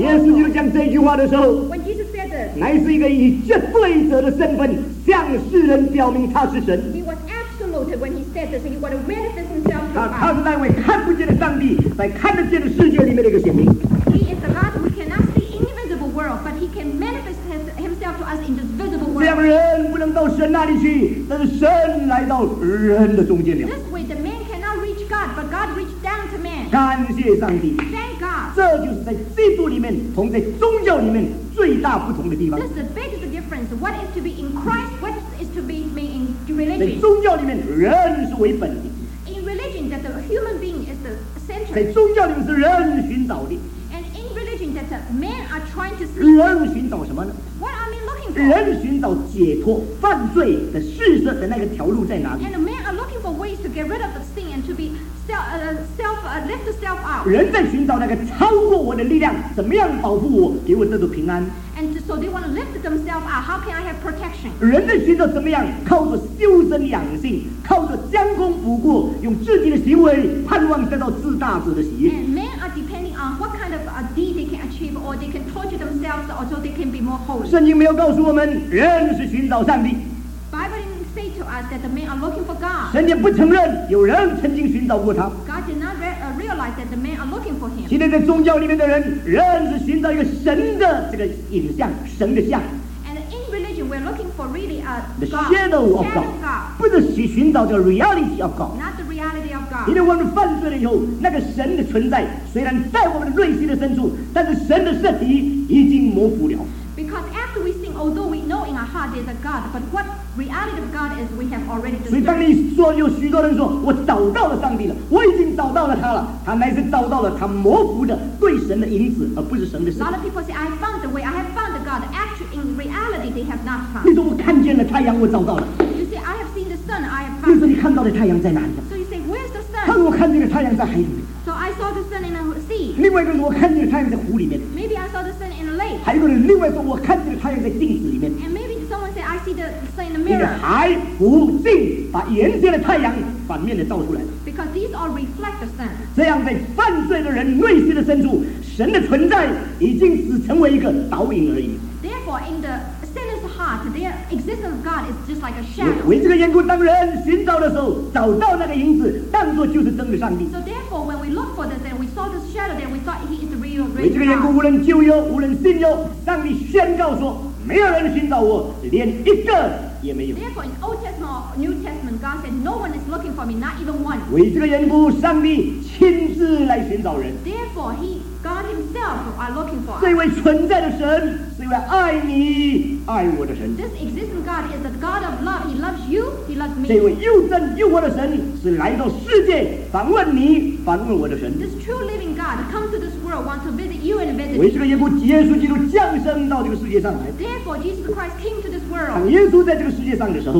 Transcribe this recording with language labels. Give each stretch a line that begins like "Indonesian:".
Chinese: 耶稣就讲这句话的时候，
English: When Jesus said this,
Chinese: 乃是一个以绝对者的身份向世人表明他是神。
English: He was absolute when he said this, and he wanted to manifest himself to us.
Chinese: 他是那位看不见的上帝，在看得见的世界里面的一个显明。
English: He is the God who cannot see in the invisible world, but he can manifest himself to us in this visible.
Chinese: 这样人不能到神那里去，但是神来到人的中间了。
English: This way, the man cannot reach God, but God reached down to man.
Chinese: 感谢上帝。
English: Thank God.
Chinese: 这就是在基督里面同在宗教里面最大不同的地方。
English: This is the biggest difference. What is to be in Christ? What is to be made in religion?
Chinese: 在宗教里面，人是为本的。
English: In religion, that the human being is the center.
Chinese: 在宗教里面是人寻找的。
English: And in religion, that the men are trying to seek.
Chinese: 人寻找什么呢？人寻找解脱犯罪的事实的那个条路在哪里？
English: And men are looking for ways to get rid of the sin and to be lift self up.
Chinese: 人在寻找那个超过我的力量，怎么样保护我，给我这种平安？
English: And so they want to lift themselves up. How can I have protection?
Chinese: 人在寻找怎么样靠着修身养性，靠着将功补过，用自己的行为盼望得到自大者的喜悦。
English: And men are depending on what kind of a deed they can achieve, or they can torture themselves, or so they can be more holy.
Chinese: 圣经没有告诉我们人是寻找上帝。
English: Bible didn't say to us that the men are looking for God.
Chinese: 神也不承认有人曾经寻找过他。
English: God did not realize that the men are looking for him.
Chinese: 今天在宗教里面的人，人是寻找一个神的这个影像，神的像。
English: And in religion, we're looking for really a God, the shadow of God. God.
Chinese: 不是去寻找这个
English: reality of God. Not the reality of God.
Chinese: 今天我们犯罪了以后，那个神的存在虽然在我们的内心的深处，但是神的身体已经模糊了。
English: Because after we sin, although we know in our heart there's a God, but what reality of God is we have already discerned.
Chinese: 所以当你说有许多人说我找到了上帝了，我已经找到了他了，他乃是找到了他模糊的对神的影子，而不是神的神。
English: A lot of people say I found the way, I have found the God. Actually, in reality, they have not found.
Chinese: 你说我看见了太阳，我找到了。
English: You say I have seen the sun, I have found.
Chinese: 你说你看到的太阳在哪里？
English: So you say where's the sun?
Chinese: 他个我看见的太阳在海里面。
English: So I saw the sun in a sea.
Chinese: 另外一个人我看见的太阳在湖里面。
English: Maybe I saw the sun in a lake.
Chinese: 还有一个人另外说我看见的太阳在镜子里面。
English: And maybe someone said I see the sun in the mirror.
Chinese: 你的海湖镜把原先的太阳反面的照出来。
English: Because these all reflect the sun.
Chinese: 这样在犯罪的人内心的深处，神的存在已经只成为一个倒影而已。
English: Therefore, in the sinner's heart, the existence of God is just like a shadow.
Chinese: 为这个缘故，当人寻找的时候，找到那个影子，当作就是真的上帝。
English: So therefore, when we look for this, and we saw this shadow, then we thought he is the real God.
Chinese: 为这个缘故，无论旧约，无论新约，上帝宣告说，没有人寻找我，连一个也没有。
English: Therefore, in Old Testament or New Testament, God said, no one is looking for me, not even one.
Chinese: 为这个缘故，上帝亲自来寻找人。
English: Therefore, God himself are looking for us.
Chinese: 这位存在的神是一位爱你爱我的神。
English: This existing God is the God of love. He loves you, he loves me.
Chinese: 这位又真又活的神是来到世界访问你访问我的神。
English: This true living God comes to this world, wants to visit you and visit me.
Chinese: 为什么耶稣耶稣基督降生到这个世界上来？
English: Therefore, Jesus Christ came to this world.
Chinese: 当耶稣在这个世界上的时候，